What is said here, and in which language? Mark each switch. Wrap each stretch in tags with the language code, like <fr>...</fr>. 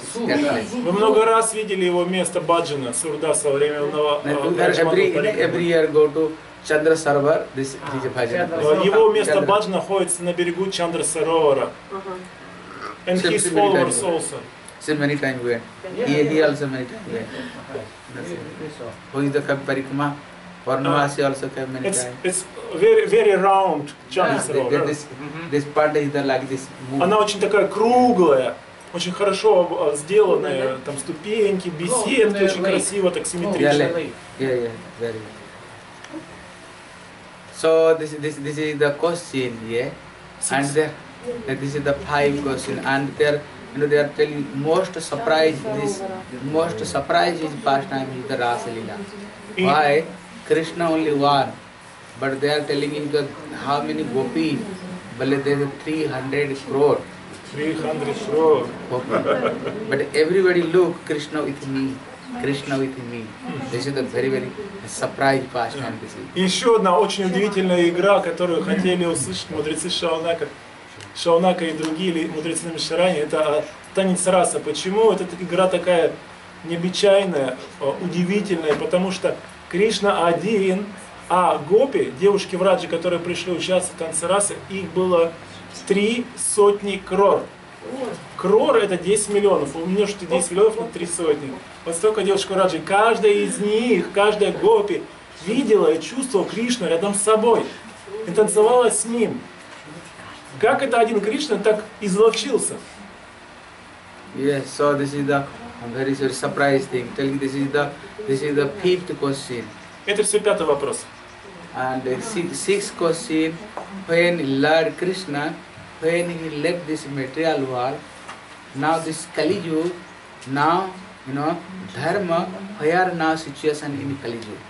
<ru>Вы много раз видели его место Баджана, Сурдаса, во время Брадж Мандала Парикрама.</ru> <en>Every year go to Chandra Sarovar. This is a Bhajana.</en> <ru>Его место Баджана находится на берегу Чандра Саровара.</ru> <en>And his followers also. See, many times went. He also many times went. Who is the Parikrama? Varnavasi also came many times. It's very, very round, Chandra Sarovar. Yeah, this part is the, like this. Movie.</en> <ru>Она очень такая круглая, очень хорошо сделанная, yeah. Там ступеньки, беседки, oh, очень красиво, так симметрично.</ru> <en>Yeah, very. So this is the question, yeah. Six. And there, this is the five question, and there, you know, they are telling most surprise this, most surprise is pastime is the Rasa Lila. Why? Krishna only one, but they are telling him that how many gopis, but there are 300 crore. 300 crore. But everybody look, Krishna with me, Krishna with me. This is a very, very surprise pastime. This is.</en> <ru>Еще одна очень удивительная игра, которую хотели услышать мудрецы Шаунака. Шаунака и другие мудрецы на Мишаране, это танец раса. Почему эта игра такая необычайная, удивительная? Потому что Кришна один, а гопи, девушки-враджи, которые пришли участвовать в танце расы, их было 300 крор. Крор – это 10 миллионов. Умножьте 10 миллионов на 300. Вот столько девушки-враджи. Каждая из них, каждая гопи видела и чувствовала Кришну рядом с собой. И танцевала с ним. Как это один Кришна так изловчился?</ru> <en>Yes, so this is the very surprise thing. Telling this is the fifth question.</en> <ru>Это все пятый вопрос.</ru> <en>And sixth question, when Lord Krishna, when he left this material world, now this Kali Yuga, now, you know, dharma, where now situation in Kali Yuga?</en>